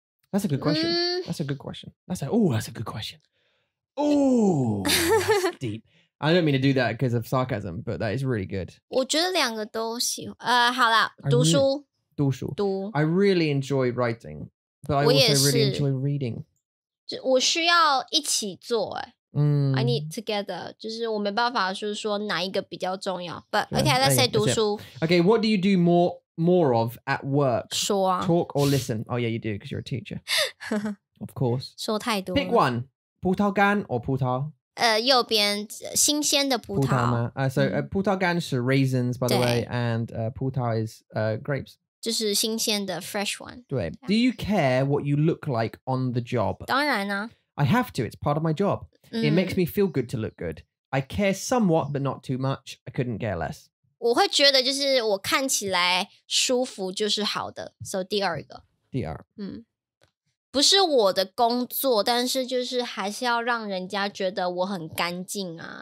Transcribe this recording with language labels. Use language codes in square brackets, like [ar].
[en] That's a good question、嗯、That's a good question That's a, Oh that's a good question Oh That's deep I don't mean to do that because of sarcasm, but that is really good. [zh] 我觉得两个都喜欢。好啦，读书。读书。读。 [en] I really enjoy writing, but I also really enjoy reading. [zh] 我需要一起做诶。 [en] I need together. [zh] 就是我没办法就是说哪一个比较重要。 [en] But okay, let's say 读书。 Okay, what do you do more of at work? [zh] 说啊。 [en] Talk or listen? Oh yeah, you do because you're a teacher. Of course. [zh] 说太多。 [en] Pick one. 葡萄干 or 葡萄。 [zh] 右边新鲜的葡萄吗？ [en] 葡萄干是 raisins, by the way, and 葡萄 is grapes. [zh] 就是新鲜的 [en] fresh one. [zh] 对。 [en] Do you care what you look like on the job? [zh] 当然啊。 [en] I have to, it's part of my job. It makes me feel good to look good. I care somewhat, but not too much. I couldn't care less. [zh] 我会觉得就是我看起来舒服就是好的。 So 第二个。第二。不是我的工作，但是就是还是要让人家觉得我很干净啊，